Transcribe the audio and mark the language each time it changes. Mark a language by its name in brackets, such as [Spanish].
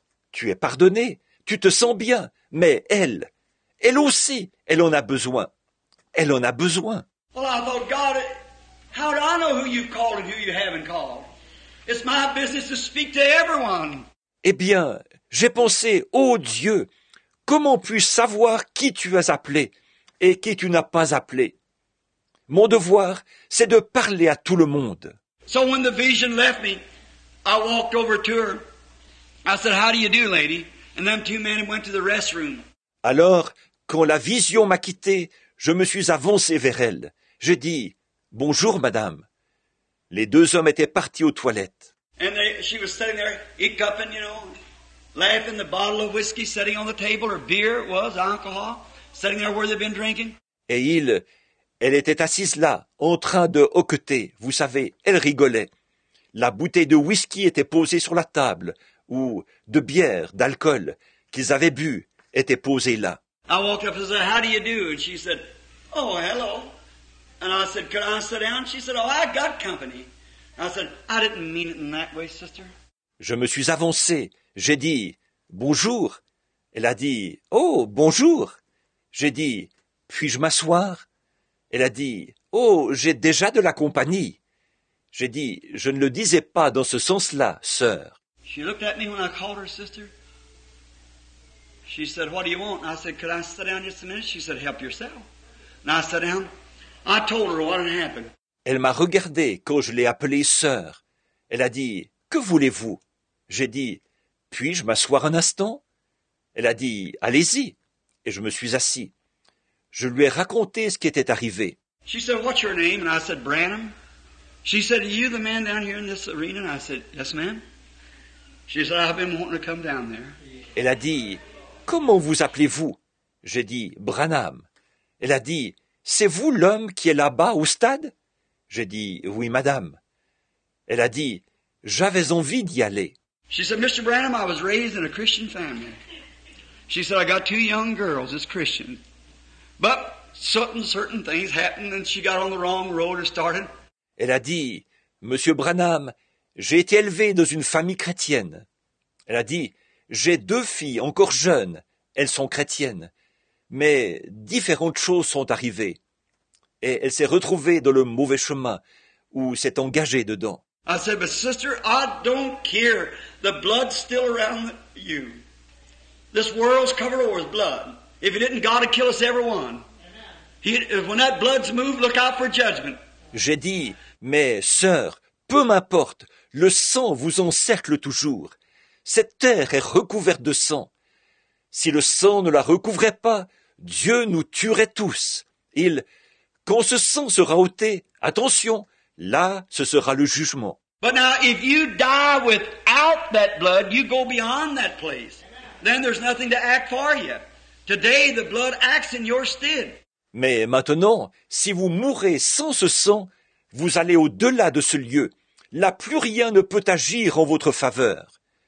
[French] Tu es pardonné, tu te sens bien, mais elle aussi, elle en a besoin. Elle en a besoin. [English] Well, I thought, God, how do I know who you've called and who you haven't called? It's my business to speak to everyone. [French] Eh bien, j'ai pensé, oh Dieu, comment puis-je savoir qui tu as appelé et qui tu n'as pas appelé? Mon devoir, c'est de parler à tout le monde. [English] So when the vision left me, I walked over to her. I said, how do you do, lady? And them two men went to the restroom. [French] Alors, quand la vision m'a quitté, je me suis avancé vers elle. Je dis, bonjour, madame. Les deux hommes étaient partis aux toilettes. [English] And she was sitting there, hiccuping, you know, laughing, the bottle of whiskey sitting on the table, or beer it was, alcohol, sitting there where they've been drinking. [French] Et elle était assise là, en train de hoqueter. Vous savez, elle rigolait. La bouteille de whisky était posée sur la table, ou de bière, d'alcool, qu'ils avaient bu, était posée là. [English] I walked up and said, how do you do? And she said, oh, hello. And I said, could I sit down? She said, oh, I got company. And I said, I didn't mean it in that way, sister. [French] Je me suis avancé. J'ai dit, bonjour. Elle a dit, oh, bonjour. J'ai dit, puis-je m'asseoir? Elle a dit, oh, j'ai déjà de la compagnie. J'ai dit, je ne le disais pas dans ce sens-là, sœur. [English] She looked at me when I called her sister. She said, what do you want? And I said, could I sit down just a minute? She said, help yourself. And I sat down. I told her what had happened. [French] Elle m'a regardé quand je l'ai appelée sœur. Elle a dit, que voulez-vous? J'ai dit, « Puis-je m'asseoir un instant ?» Elle a dit, « Allez-y !» Et je me suis assis. Je lui ai raconté ce qui était arrivé. [English] She said, what's your name? And I said, Branham. She said, are you the man down here in this arena? And I said, yes, ma'am. She said, I've been wanting to come down there. [French] Elle a dit, comment vous appelez-vous? J'ai dit, Branham. Elle a dit, c'est vous l'homme qui est là-bas au stade? J'ai dit, oui, madame. Elle a dit, j'avais envie d'y aller. [English] She said, Mr. Branham, I was raised in a Christian family. She said, I got two young girls as Christian. But certain things happened and she got on the wrong road or started. [French] Elle a dit, Monsieur Branham, j'ai été élevé dans une famille chrétienne. Elle a dit, j'ai deux filles encore jeunes, elles sont chrétiennes. Mais différentes choses sont arrivées. Et elle s'est retrouvée dans le mauvais chemin ou s'est engagée dedans. [English] I said, but sister, I don't care. The blood's still around you. This world's covered over with blood. If it didn't, God would kill us everyone. When that blood's moved, look out for judgment. [French] J'ai dit, mais sœur, peu m'importe, le sang vous encercle toujours. Cette terre est recouverte de sang. Si le sang ne la recouvrait pas, Dieu nous tuerait tous. Quand ce sang sera ôté, attention, là, ce sera le jugement. [English] But now, if you die without that blood, you go beyond that place. Then there's nothing to act for you. Today, the blood acts in your stead. [French] Mais maintenant, si vous mourrez sans ce sang, vous allez au-delà de ce lieu. Là, plus rien ne peut agir en votre faveur.